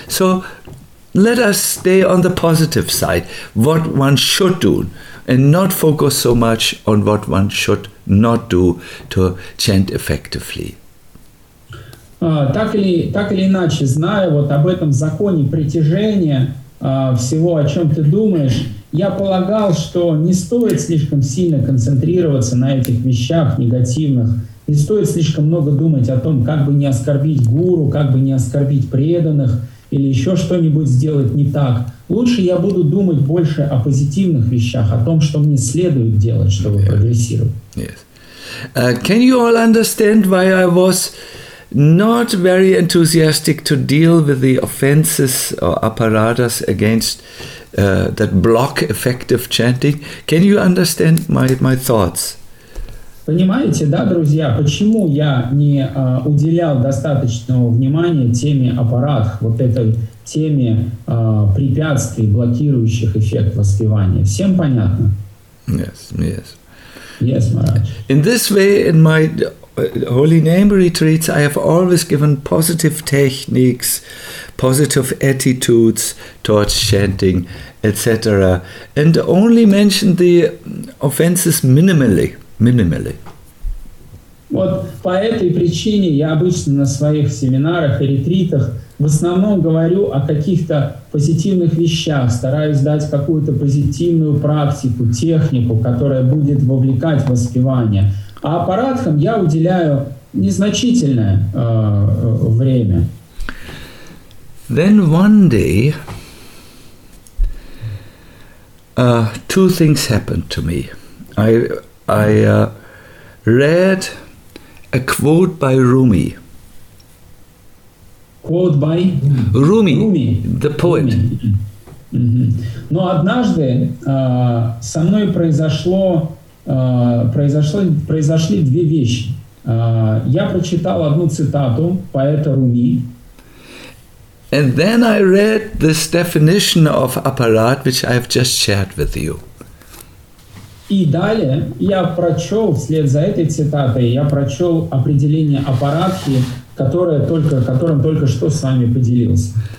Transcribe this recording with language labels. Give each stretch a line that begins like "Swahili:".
English: So let us stay on the positive side, what one should do, and not focus so much on what one should not do to chant effectively.
Russian: Так или иначе, зная вот об этом законе притяжения, всего, о чем ты думаешь, я полагал, что не стоит слишком сильно концентрироваться на этих вещах негативных, не стоит слишком много думать о том, как бы не оскорбить гуру, как бы не оскорбить преданных или еще что-нибудь сделать не так. Лучше я буду думать больше о позитивных вещах, о том, что мне следует делать, чтобы прогрессировать.
English: Yes. Can you all understand why I was not very enthusiastic to deal with the offenses or apparatus against that block effective chanting? Can you understand my thoughts?
Russian: Понимаете, да, друзья, почему я не уделял достаточного внимания теме аппарат, вот этой теме препятствий, блокирующих эффект воспевания? Всем понятно?
English: Yes, yes. Yes, Maharaj. In this way, in my holy name retreats, I have always given positive techniques, positive attitudes towards chanting, etc. And only mentioned the offenses minimally.
Russian: Вот по этой причине я обычно на своих семинарах и ретритах в основном говорю о каких-то позитивных вещах, стараюсь дать какую-то позитивную практику, технику, которая будет вовлекать воспевание. А аппаратхам я уделяю незначительное время.
English: Then one day, two things happened to me. I read a quote by Rumi. Quote by? Rumi. The poet. Rumi. Mm-hmm.
Russian: Но однажды со мной произошло... произошли две вещи. Я прочитал одну цитату поэта Руми.
English: And then I read this definition of apparat, which I have just shared with you.
Russian: И далее я прочел, вслед за этой цитатой, я прочел определение аппаратхи, которым только что с вами поделился.